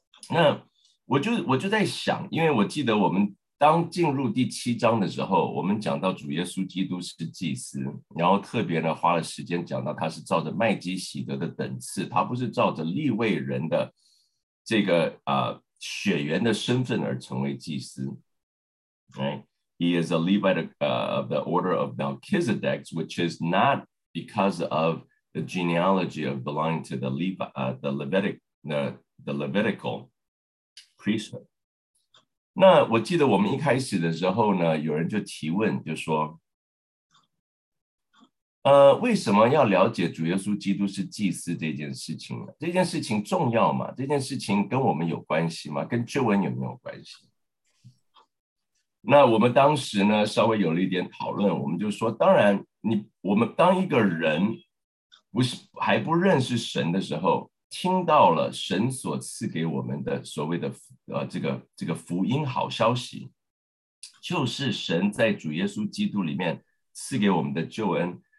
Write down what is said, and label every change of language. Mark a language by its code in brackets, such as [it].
[zh] 那我就在想，因为我记得我们当进入第七章的时候，我们讲到主耶稣基督是祭司，然后特别呢花了时间讲到他是照着麦基洗德的等次，他不是照着利未人的这个血缘的身份而成为祭司。 [en] He is a Levite of the order of Melchizedek, which is not because of the genealogy of belonging to the Levitical priesthood. [zh] 那我记得我们一开始的时候呢，有人就提问，就说，为什么要了解主耶稣基督是祭司这件事情呢？这件事情重要吗？这件事情跟我们有关系吗？跟救恩有没有关系？那我们当时呢，稍微有了一点讨论，我们就说，当然我们当一个人还不认识神的时候，听到了神所赐给我们的所谓的这个福音好消息，就是神在主耶稣基督里面赐给我们的救恩。